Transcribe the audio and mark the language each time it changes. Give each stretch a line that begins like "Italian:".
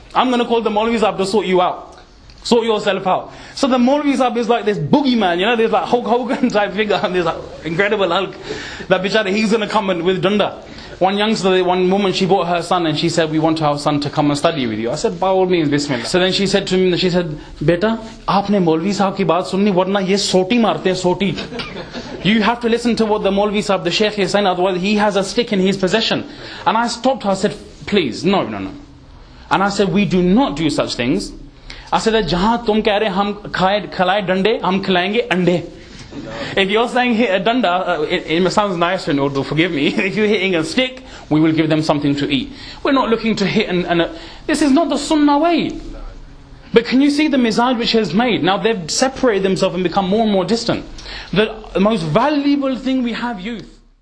English: I'm going to call the maulvi sahab to sort you out. Sort yourself out. So the maulvi sahab is like this boogeyman, you know, there's like Hulk Hogan type figure, and there's an like incredible Hulk. That bichara, he's going to come in with dunda. One youngster, one woman, she brought her son and she said, we want our son to come and study with you. I said, by all means, bismillah. So then she said
Urdu: to him, she said, بیٹا, آپنے مولوی صاحب کی بات سنی, ورنہ یہ سوٹی مارتے, سوٹی.
English: You have to listen to what the maulvi sahab, the sheikh is saying, otherwise he has a stick in his possession. And I stopped her, I said, please, no, no, no. And I said, we do not do such things. I said,
Urdu: جہاں تم کہہ رہے, ہم کھلائے ڈنڈے, ہم کھلائیں گے انڈے.
English: If you're saying hit a danda, it sounds nicer in Urdu, forgive me. If you're hitting a stick, we will give them something to eat. We're not looking to hit this is not the sunnah way. But can you see the mizaj which has made? Now they've separated themselves and become more and more distant. The most valuable thing we have, youth.